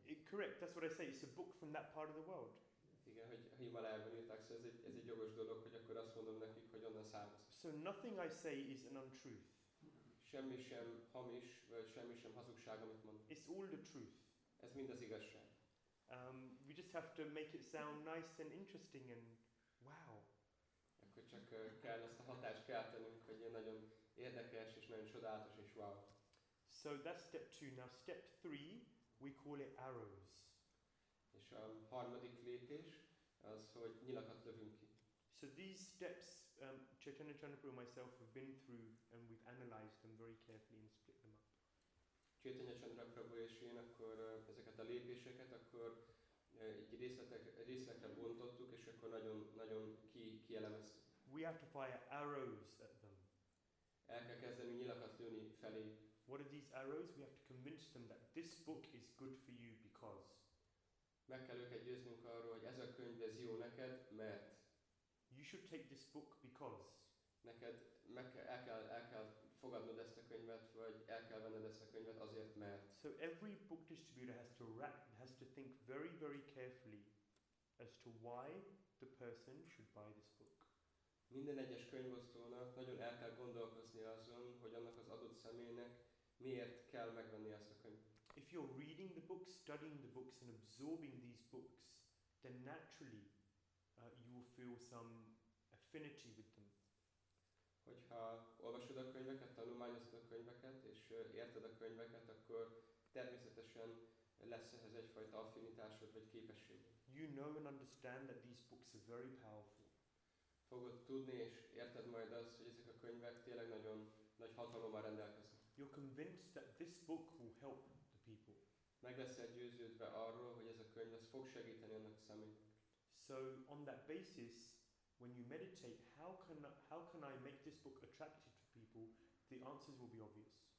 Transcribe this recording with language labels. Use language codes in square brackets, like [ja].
[en] Correct, that's what I say, it's a book from that part of the world. [hu] Igen, hogy Himalájában írták, szóval ez egy jogos dolog, hogy akkor azt mondom nekik, hogy onnan származ. [en] So So nothing I say is an untruth. [hu] Semmi sem hamis, vagy semmi sem hazugság, amit mondok. [en] It's all the truth. [hu] Ez mind az igazság. [en] We just have to make it sound nice and interesting and wow. [hu] Akkor csak kell ezt a hatást keltenünk, hogy ilyen nagyon érdekes és nagyon csodálatos és wow. [en] So that's step two. Now step three, we call it arrows. [hu] És a harmadik lépés az, hogy nyilakat lövünk ki. [en] So these steps, Chaitanya Chandrapur and myself have been through and we've analyzed them very carefully and split them up. [hu] Chaitanya Chandrapur és én akkor ezeket a lépéseket akkor egy részletre bontottuk és akkor nagyon kielemeztük. [en] We have to fire arrows at them. [hu] El kell kezdeni nyilakat lőni felé. [en] What are these arrows? We have to convince them that this book is good for you because. [hu] Meg kell őket győznünk arról, hogy ez a könyv ez jó neked, mert. [en] You should take this book because. [hu] Neked meg kell, el kell fogadnod ezt a könyvet, vagy el kell venned ezt a könyvet azért, mert. [en] So every book distributor has to think very, very carefully as to why the person should buy this book. [hu] Minden egyes könyvosztónak nagyon el kell gondolkozni azon, hogy annak az adott személynek miért kell megvenni ezt a könyvet. [en] If you're reading the books, studying the books, and absorbing these books, then naturally you will feel some affinity with them. [hu] Hogyha olvasod a könyveket, tanulmányozod a könyveket, és érted a könyveket, akkor természetesen lesz ehhez egyfajta affinitásod vagy képesség. [en] You know and understand that these books are very powerful. [hu] Fogod tudni és érted majd azt, hogy ezek a könyvek tényleg nagyon nagy hatalommal rendelkeznek. [en] You're convinced that this book will help the people. [hu] Meg leszel győződve arról, hogy ez a könyv ez fog segíteni annak személynek. [en] So on that basis, when you meditate, how can I make this book attractive to people? The answers will be obvious.